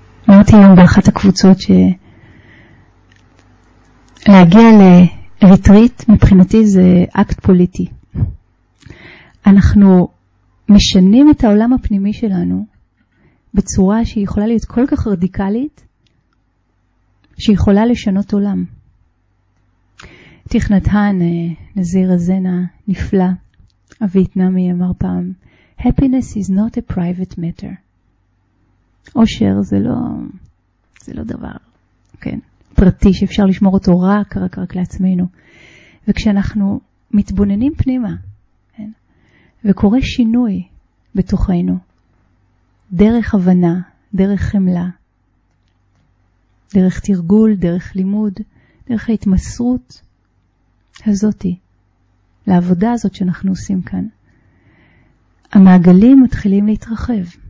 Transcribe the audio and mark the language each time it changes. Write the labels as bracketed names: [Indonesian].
[Hebrew] אמרתי היום באחת הקבוצות שלהגיע לריטריט מבחינתי זה אקט פוליטי. אנחנו משנים את העולם הפנימי שלנו בצורה שהיא יכולה להיות כל כך רדיקלית שהיא יכולה לשנות עולם. תיך נתן, נזיר הזנה, נפלא. הוויטנאמי אמר פעם, [English] happiness is not a private matter. [Hebrew] אושר זה לא דבר, כן, פרטי שאפשר לשמור אותו רק לעצמנו. וכשאנחנו מתבוננים פנימה, כן, וקורה שינוי בתוכנו, דרך הבנה, דרך חמלה, דרך תרגול, דרך לימוד, דרך ההתמסרות הזאתי, לעבודה הזאת שאנחנו עושים כאן, המעגלים מתחילים להתרחב.